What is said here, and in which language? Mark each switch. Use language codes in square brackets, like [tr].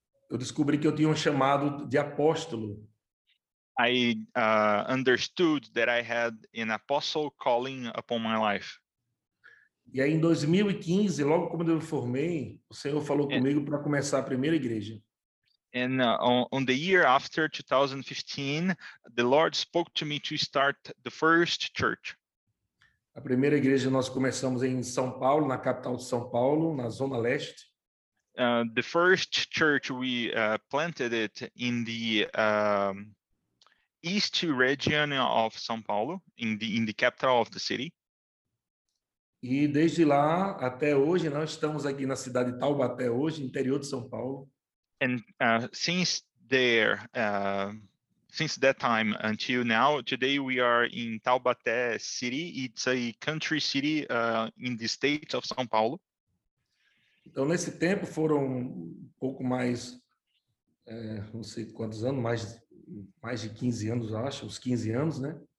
[pt] eu descobri que eu tinha um chamado de apóstolo. [en] I understood that I had an apostle calling upon my life. [pt] E aí, em 2015, logo quando eu me formei, o Senhor falou comigo para começar a primeira igreja. [en] And on the year after 2015, the Lord spoke to me to start the first church. [pt] A primeira igreja nós começamos em São Paulo, na capital de São Paulo, na Zona Leste. [en] The first church we planted it in the east region of São Paulo, in the capital of the city. [pt] E desde lá até hoje, nós estamos aqui na cidade de Taubaté hoje, interior de São Paulo. [en] And since that time until now, today we are in Taubaté city. It's a country city in the state of São Paulo. [pt] Então, nesse tempo foram um pouco mais, não sei quantos anos, mais de 15 anos, acho, uns 15 anos, né?